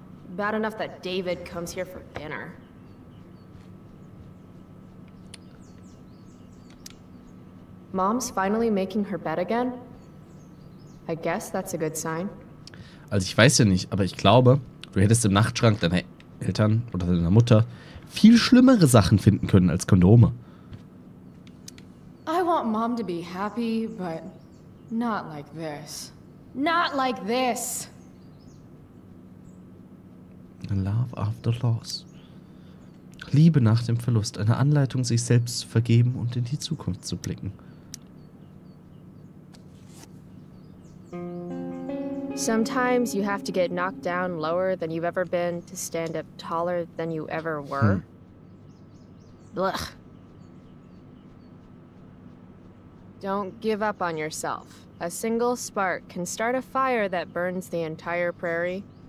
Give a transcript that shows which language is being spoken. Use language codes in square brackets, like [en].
[en] Bad enough that David comes here for dinner. Mom's finally making her bed again? I guess that's a good sign. [de] Also ich weiß ja nicht, aber ich glaube, du hättest im Nachtschrank deiner Eltern oder deiner Mutter viel schlimmere Sachen finden können als Kondome. [en] I want Mom to be happy, but not like this. Not like this! Love after loss. [de] Liebe nach dem Verlust. Eine Anleitung, sich selbst zu vergeben und in die Zukunft zu blicken. [en] Sometimes you have to get knocked down lower than you've ever been to stand up taller than you ever were. Blech. Don't give up on yourself. A single spark can start a fire that burns the entire prairie.